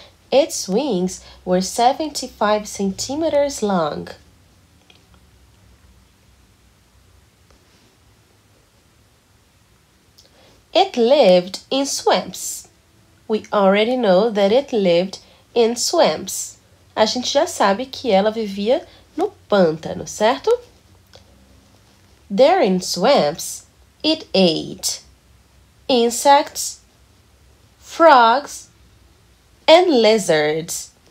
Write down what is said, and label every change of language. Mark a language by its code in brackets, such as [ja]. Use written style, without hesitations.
[en] Its wings were 75 centimeters long. It lived in swamps. We already know that it lived in swamps. [pt] A gente já sabe que ela vivia no pântano, certo? [en] There in swamps, it ate insects, frogs, and lizards.